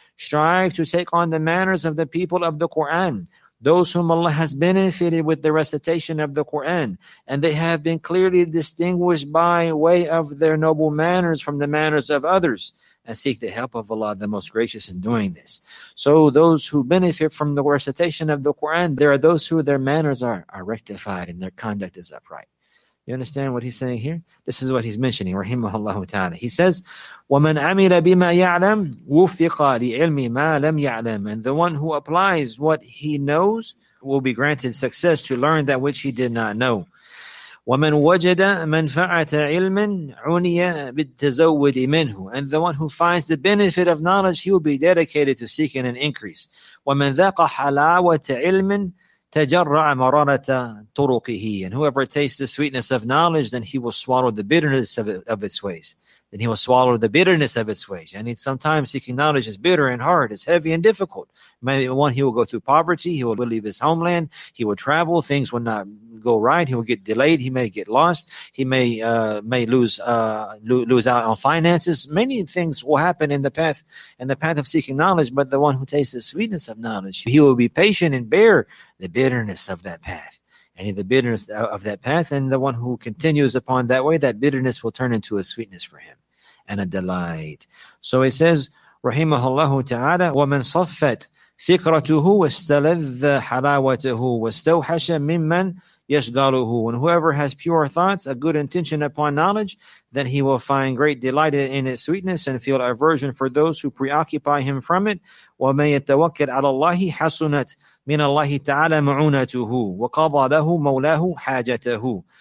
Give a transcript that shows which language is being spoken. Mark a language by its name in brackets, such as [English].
[English] Strive to take on the manners of the people of the Quran, those whom Allah has benefited with the recitation of the Quran, and they have been clearly distinguished by way of their noble manners from the manners of others, and seek the help of Allah, the most gracious, in doing this. So those who benefit from the recitation of the Quran, there are those who their manners are rectified and their conduct is upright. You understand what he's saying here? This is what he's mentioning, rahimahullah ta'ala. He says, [Arabic] وَمَنْ عَمِلَ بِمَا يَعْلَمْ وُفِّقَ لِعِلْمِ مَا لَمْ يَعْلَمْ. [English] And the one who applies what he knows will be granted success to learn that which he did not know. [Arabic] وَمَنْ وَجَدَ مَنْفَعَةَ عِلْمٍ عُنِيَ بِالتَّزَوُّدِ مِنْهُ. [English] And the one who finds the benefit of knowledge, he will be dedicated to seeking an increase. [Arabic] وَمَنْ ذَقَ حَلَاوَةَ عِلْمٍ تَجَرَّعَ مَرَارَةَ طُرُقِهِ. [English] And whoever tastes the sweetness of knowledge, then he will swallow the bitterness of its ways. then he will swallow the bitterness of its ways. And sometimes seeking knowledge is bitter and hard, it's heavy and difficult. Maybe one, he will go through poverty, he will leave his homeland, he will travel, things will not go right, he will get delayed, he may get lost, he may lose out on finances. Many things will happen in the path of seeking knowledge, but the one who tastes the sweetness of knowledge, he will be patient and bear the bitterness of that path. Any of the bitterness of that path, and the one who continues upon that way, that bitterness will turn into a sweetness for him and a delight. So it says, [Arabic] Rahimahullahu ta'ala, وَمَنْ صَفَّتْ فِكْرَتُهُ وَاسْتَلَذَّ حَلَاوَتَهُ وَاسْتَوْحَشَ مِمَّنْ يَشْغَلُهُ. [English] And whoever has pure thoughts, a good intention upon knowledge, then he will find great delight in its sweetness and feel aversion for those who preoccupy him from it. [Arabic] وَمَنْ يَتَوَكَّلْ عَلَى اللَّهِ حَسُنَتْ مِنَ اللَّهِ تَعَالَى مَعُونَتُهُ وَقَضَى لَهُ مَوْلَاهُ حَاجَتَهُ.